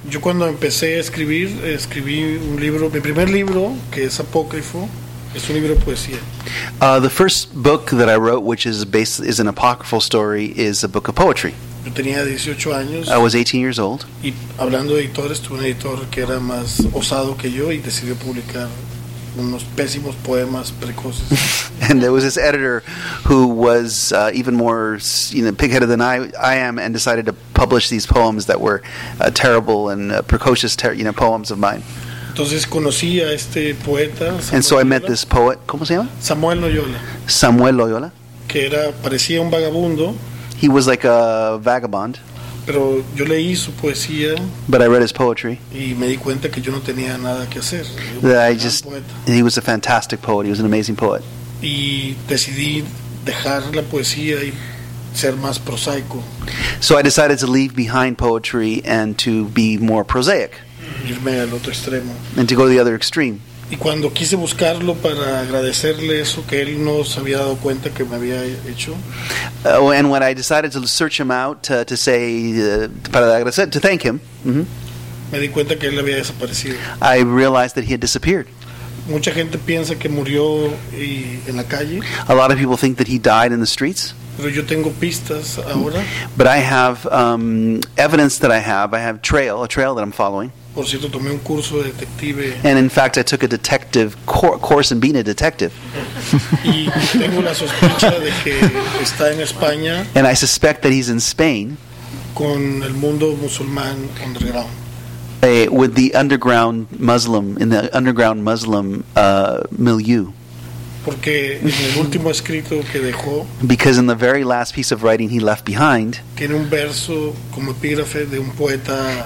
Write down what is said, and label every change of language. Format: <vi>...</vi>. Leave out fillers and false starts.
<es>Yo cuando empecé a escribir, escribí un libro, mi primer libro, que es apócrifo, es un libro de poesía.</es> <en>The first book that I wrote, which is based, is an apocryphal story, is a book of poetry.</en> <es>Yo tenía 18 años.</es> <en>I was 18 years old.</en> <es>Y hablando de editores, tuve un editor que era más osado que yo y decidió publicar unos pésimos poemas precoces.</es> <en>And there was this editor who was even more, you know, pig-headed than I am, and decided to publish these poems that were terrible and precocious, you know, poems of mine.</en> <es>Entonces conocí a este poeta,</es> <en>and so I met this poet.</en> <es>¿Cómo se llama?</es> <en>Samuel Loyola. Samuel Loyola.</en> <es>Que era, parecía un vagabundo.</es> <en>He was like a vagabond.</en> <es>Pero yo leí su poesía.</es> <en>But I read his poetry.</en> <es>Y me di cuenta que yo no tenía nada que hacer.</es> <en>He was a fantastic poet. He was an amazing poet.</en> <es>Y decidí dejar la poesía y ser más prosaico.</es> <en>So I decided to leave behind poetry and to be more prosaic.</en> <es>Irme al otro extremo.</es> <en>And to go the other extreme.</en> <es>Y cuando quise buscarlo para agradecerle eso que él no se había dado cuenta que me había hecho.</es> <en>And when I decided to search him out to say</en> <es>para agradecer,</es> <en>to thank him. Mm-hmm.</en> <es>Me di cuenta que él había desaparecido.</es> <en>I realized that he had disappeared.</en> <es>Mucha gente piensa que murió y en la calle.</es> <en>A lot of people think that he died in the streets.</en> <es>Pero yo tengo pistas ahora.</es> <en>But I have evidence that I have a trail that I'm following.</en> <es>Por cierto, tomé un curso de detective.</es> <en>And in fact, I took a detective course in being a detective.</en> <es>Y tengo la sospecha de que está en España.</es> <en>And I suspect that he's in Spain.</en> <es>Con el mundo musulmán underground.</es> <en>With the underground Muslim, in the underground Muslim milieu.</en> <es>Porque en el último escrito que dejó,</es> <en>because in the very last piece of writing he left behind,</en> <es>tiene un verso como epígrafe de un poeta,</es>